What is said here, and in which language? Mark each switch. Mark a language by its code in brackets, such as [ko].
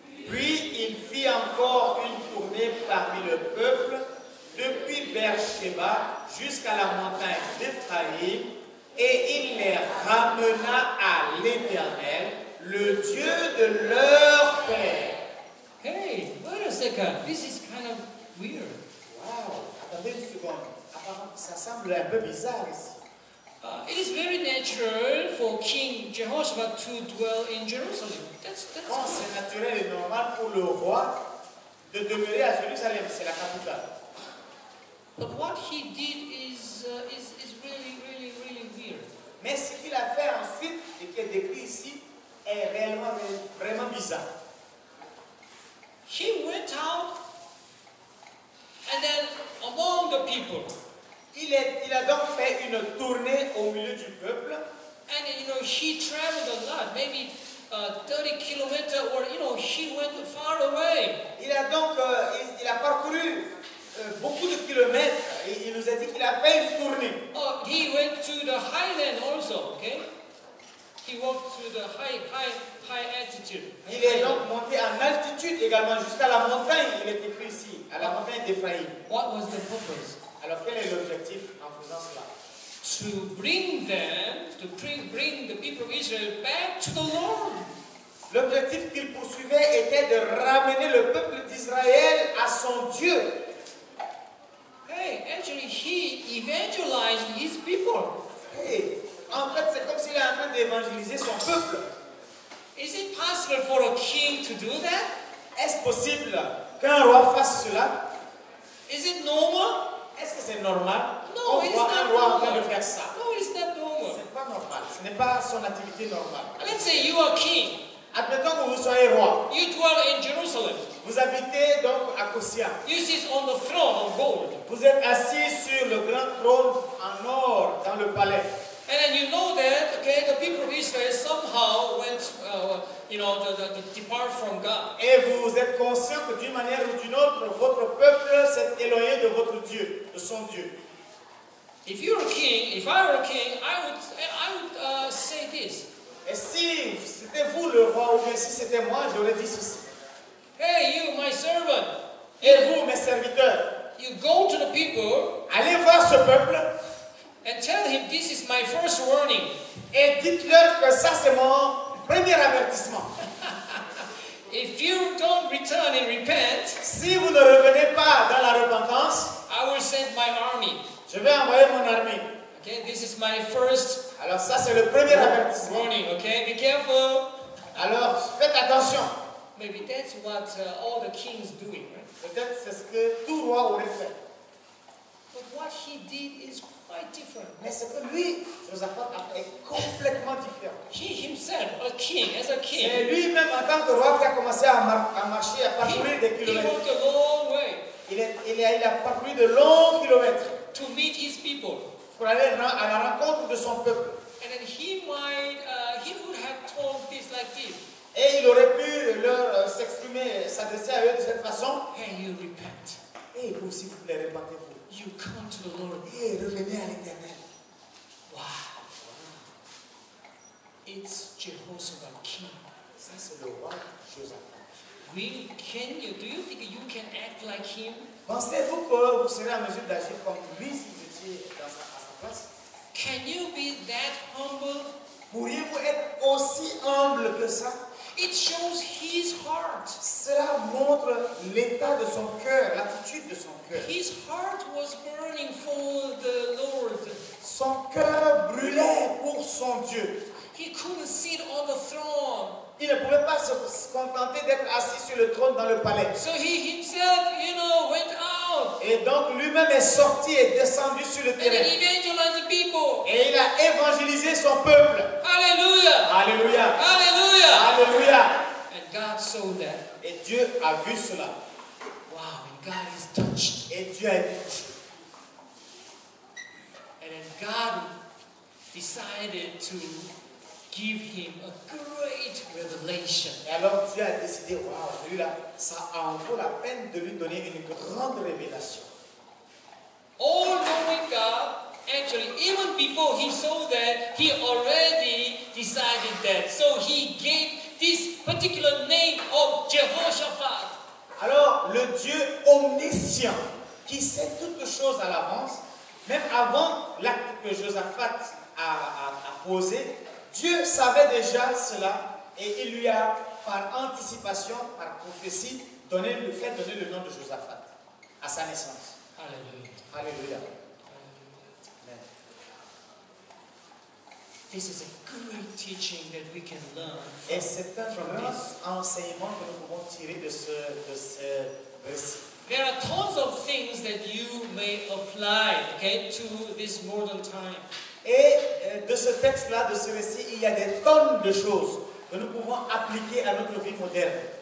[fr] Puis il fit encore une tournée parmi le peuple, depuis Beersheba jusqu'à la montagne d'Éphraïm, et il les ramena à l'Éternel, le Dieu de leur père. [en] Hey, wait a second, this is kind of weird. [fr] Wow, attendez une seconde, apparemment ça semble un peu bizarre ici. [en] It is very natural for King Jehoshaphat to dwell in Jerusalem. That's cool. [fr] C'est naturel et normal pour le roi de demeurer à Jérusalem, c'est la capitale. [en] But what he did is really, really, really weird. [fr] Mais ce qu'il a fait ensuite et qui est décrit ici est vraiment bizarre. [en] He went out and then among the people. [fr] Il a donc fait une tournée au milieu du peuple. [en] And you know, he traveled a lot, maybe 30 kilometers, or you know, he went far away. [fr] Il a donc il a parcouru beaucoup de kilomètres. Il nous a dit qu'il a fait une tournée. [en] Oh, he went to the highland also, okay? He walked to the high altitude. [fr] Il est donc monté en altitude également jusqu'à la montagne. Il était précis à la montagne d'Éphraïm. [en] What was the purpose? [fr] Alors quel est l'objectif en faisant cela? [en] To bring them, to bring the people of Israel back to the Lord. [fr] L'objectif qu'il poursuivait était de ramener le peuple d'Israël à son Dieu. [en] Hey, actually, he evangelized his people. [fr] Hey, en fait, c'est comme s'il est en train d'évangéliser son peuple. [en] Is it possible for a king to do that? [fr] Est-ce possible qu'un roi fasse cela? [en] Is it normal? [fr] Est-ce que c'est normal? [en] No, it is not normal. No, it's not normal. [fr] C'est pas normal. Ce n'est pas son activité normale. [en] Let's say you are king. [fr] Admettons que vous soyez roi. [en] You dwell in Jerusalem. [fr] Vous habitez donc à Kosia. [en] You sit on the throne of gold. [fr] Vous êtes assis sur le grand trône en or dans le palais. [en] And then you know that, okay, the people of Israel somehow went, you know, the depart from God. [fr] Et vous êtes conscient que d'une manière ou d'une autre, votre peuple s'est éloigné de votre Dieu, de son Dieu. [en] If you were a king, if I were a king, I would say this. [fr] Et si c'était vous le roi, ou bien si c'était moi, j'aurais dit ceci. [en] Hey, you, my servant. [fr] Et vous, mes serviteurs. [en] You go to the people. [fr] Allez voir ce peuple. [en] And tell him this is my first warning. [fr] Et dites-leur que ça c'est mon premier avertissement. [en] If you don't return and repent, [fr] si vous ne revenez pas dans la repentance, [en] I will send my army. [fr] Je vais envoyer mon armée. [en] Okay, this is my first. [fr] Alors ça c'est le premier avertissement. [en] Warning, okay, be careful. [fr] Alors faites attention. [en] Maybe that's what all the kings doing. [fr] Peut-être c'est ce que tout roi aurait fait. [en] But what he did is quite different. [fr] Mais ce que lui, Josaphat, a fait est complètement différent. [en] He himself, a king, as a king. [fr] C'est lui-même en tant que roi qui a commencé à marcher, à parcourir des kilomètres. [en] He walked a long way. [fr] Il a parcouru de longs kilomètres. [en] To meet his people. [fr] Pour aller à la rencontre de son peuple. [en] And then he would have told this like this. [fr] Et il aurait pu leur s'exprimer, s'adresser à eux de cette façon. [en] Hey, you repent. [fr] Et vous aussi, vous les répandez-vous. [en] You come to the Lord. [fr] Hey, revenez à l'Éternel. Wow. [en] It's Jehoshaphat King. [fr] Ça, c'est le roi Josaphat. [en] Really? Can you? Do you think you can act like him? [fr] Pensez-vous que vous serez en mesure d'agir comme lui si vous étiez à sa place? [en] Can you be that humble? [fr] Pourriez-vous être aussi humble que ça? [en] It shows his heart. [fr] Cela montre l'état de son cœur, l'attitude de son cœur. [en] His heart was burning for the Lord. [fr] Son cœur brûlait pour son Dieu. [en] He couldn't sit on the throne. [fr] Il ne pouvait pas se contenter d'être assis sur le trône dans le palais. [en] So he himself, you know, went out. [fr] Et donc lui-même est sorti et descendu sur le terrain. [en] And he evangelized the people. [fr] Et il a évangélisé son peuple. Alléluia. Alléluia. Alléluia. Alléluia. [en] And God saw that. [fr] Et Dieu a vu cela. [en] Wow, and God is touched. [fr] Et Dieu a été touché. [en] And then God decided to give him a great revelation. [fr] Et alors Dieu a décidé, wow, celui-là, ça en vaut la peine de lui donner une grande révélation. [en] All knowing God, actually, even before he saw that, he already decided that. So he gave this particular name of Jehoshaphat. [fr] Alors, le Dieu omniscient, qui sait toutes choses à l'avance, même avant l'acte que Josaphat a posé, Dieu savait déjà cela et il lui a, par anticipation, par prophétie, donné le nom de Josaphat à sa naissance. Alléluia. Alléluia. Amen. [en] This is a good teaching that we can learn. [fr] Et c'est un grand enseignement que nous pouvons tirer de ce récit. [en] There are tons of things that you may apply, okay, to this modern time. [fr] Et de ce texte-là, de ce récit, il y a des tonnes de choses que nous pouvons appliquer à notre vie moderne.